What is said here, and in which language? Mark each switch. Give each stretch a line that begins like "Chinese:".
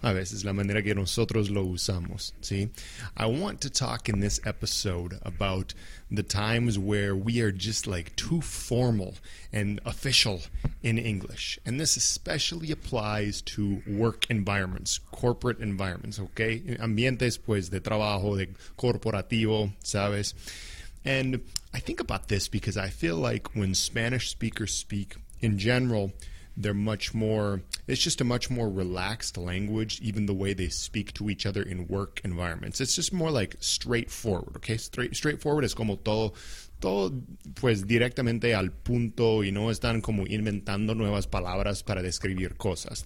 Spanish: A veces la manera que nosotros lo usamos, ¿sí?
English: I want to talk in this episode about the times where we are just like too formal and official in English. And this especially applies to work environments, corporate environments, okay?
Spanish: Ambientes, pues, de trabajo, de corporativo, ¿sabes?
English: And I think about this because I feel like when Spanish speakers speak in general, it's just a much more relaxed language, even the way they speak to each other in work environments. It's just more like straightforward, okay?
Spanish: Straightforward es como todo pues directamente al punto y no están como inventando nuevas palabras para describir cosas.